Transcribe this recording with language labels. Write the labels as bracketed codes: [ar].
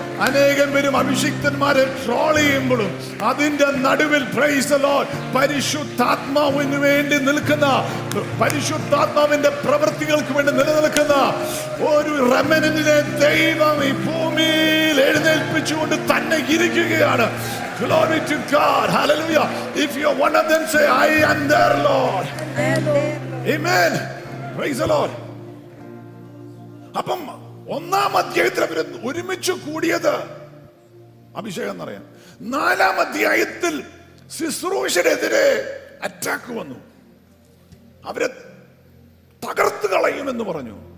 [ml] അനേകം പേരും അഭിഷിക്തന്മാരെ ട്രോൾ ചെയ്യുമ്പോഴും അതിന്റെ നടുവിൽ [en] praise the Lord [ml] പരിശുദ്ധാത്മാവിന് വേണ്ടി നിൽക്കുന്ന, പരിശുദ്ധാത്മാവിന്റെ പ്രവൃത്തികൾക്ക് വേണ്ടി നിലനിൽക്കുന്ന ഒരു റെമനന്റിനെ ദൈവം ഈ ഭൂമിയിൽ എഴുന്നേൽപ്പിച്ചുകൊണ്ട് തന്നെ ഇരിക്കുകയാണ്. [en] Glory to God. Hallelujah. If you are one of them, say, I am their Lord. Amen. Praise the Lord. [ml] Appam 1-ാം അധ്യായത്തിൽ അവർ ഒരുമിച്ചു കൂടിയത് അഭിഷേകം എന്നറിയാം. 4-ാം അധ്യായത്തിൽ ശുശ്രൂഷനെതിരെ അറ്റാക്ക് വന്നു, അവരെ തകർത്ത് കളയുമെന്ന് പറഞ്ഞു.